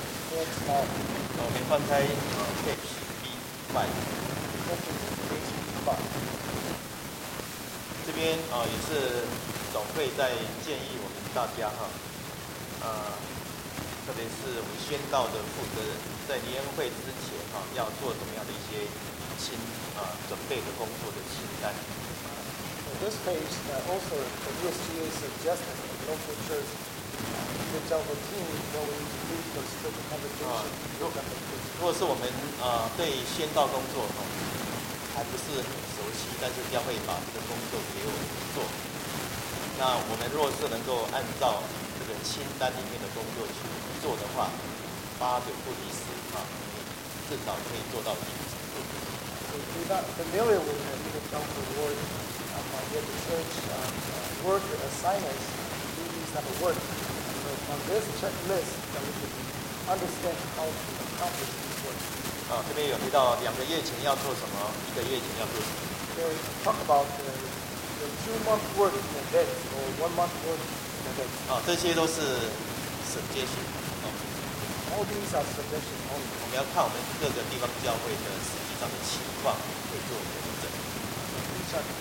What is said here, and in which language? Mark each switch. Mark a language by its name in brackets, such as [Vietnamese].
[Chinese] 我们放开啊 ，page 5，这边啊也是总会在建议我们大家哈，特别是我们宣道的负责人，在联会之前哈、要做怎么样的一些清啊准备的工作的清单。 [English] This page also the USGA suggested the local church evangelical team that we need to do for certain conversation. [Chinese] 如果是我们对宣道工作哈、还不是很熟悉，但是教会把这个工作给我们做，那我们若是能够按照这个清单里面的工作去做的话，八九不离十啊，至少可以做到一定程度。 [English] So if you're not familiar with the evangelical work, yet the church work assignments, do these type of work. So from this checklist, that we can understand how to accomplish this work. [Chinese] 啊，这边有提到两个月前要做什么，一个月前要做什么。 [English] So we can talk about the 2 month work in advance or 1 month work in advance. [Chinese] 啊，这些都是suggestion。 [English] All these are suggestions only. [Chinese] 我们要看我们各个地方教会的实际上的情况，可以做调整。